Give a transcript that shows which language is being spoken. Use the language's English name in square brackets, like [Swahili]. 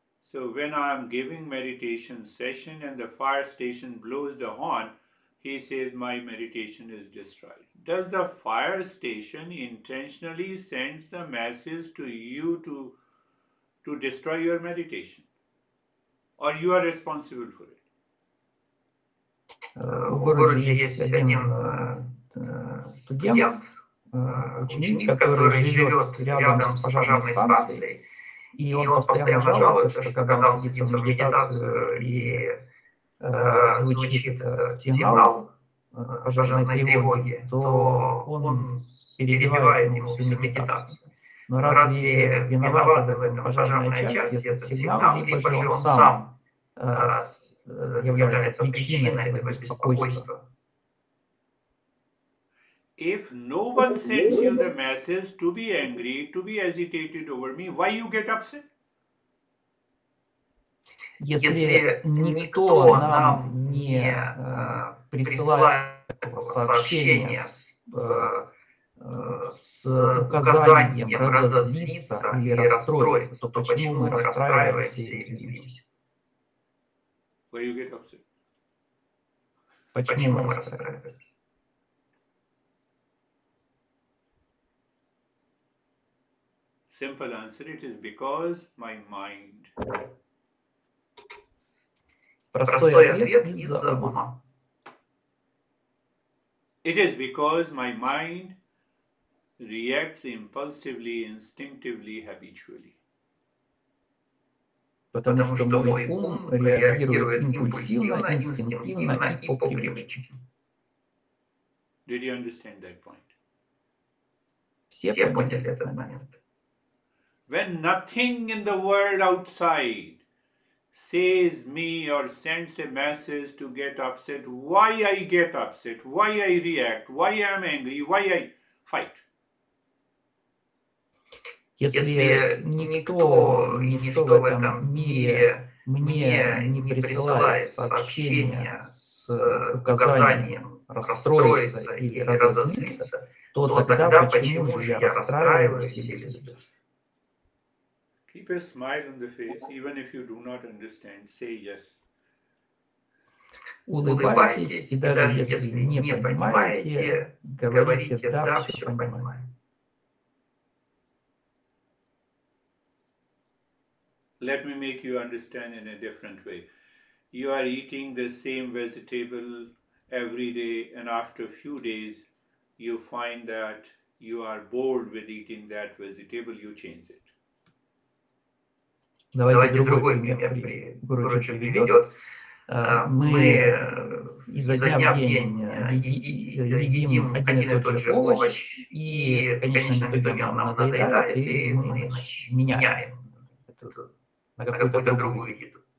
[English] So when I'm giving meditation session and the fire station blows the horn, he says my meditation is destroyed. Does the fire station intentionally send the message to you to destroy your meditation, or you are responsible for it? [Russian] У Гуруджи есть один студент, ученик, который живет рядом с пожарной станцией, и он постоянно жалуется, что когда он сидит в медитацию и звучит сигнал пожарной тревоги, то он перебивает ему всю медитацию. Но разве виноват в этом пожарная часть, этот сигнал, либо же он сам является причиной этого беспокойства? [English] If no one sends you the message to be angry, to be agitated over me, why you get upset? [Russian] Если никто нам не присылает сообщения с указанием разозлиться или расстроиться, то почему мы расстраиваемся и злимся? [English] Why you get upset? [Russian] Почему мы расстраиваемся? [English] simple answer. It is because my mind. [Russian] Простой ответ из-за ума. [English] It is because my mind reacts impulsively, instinctively, habitually. [Russian] Потому что мой ум реагирует импульсивно, инстинктивно и по привычке. [English] Did you understand that point? [Russian] Все поняли этот момент. [English] When nothing in the world outside says me or sends a message to get upset, why I get upset, why I react, why I am angry, why I fight? [Russian] Если никто, ничто в этом мире мне не присылает сообщения с указанием расстроиться или разозлиться, то тогда почему же я расстраиваюсь или злюсь? [English] Keep a smile on the face, even if you do not understand, say yes. [Russian] Улыбайтесь, и даже если не понимаете, говорите да, все понимаю. [English] Let me make you understand in a different way. You are eating the same vegetable every day, and after a few days, you find that you are bored with eating that vegetable, you change it. [Russian] Давайте другой пример, Гуруджи приведет. Мы изо дня в день едим один и тот же овощ, и в конечном итоге он нам надоедает, и мы меняем на какую-то другую еду.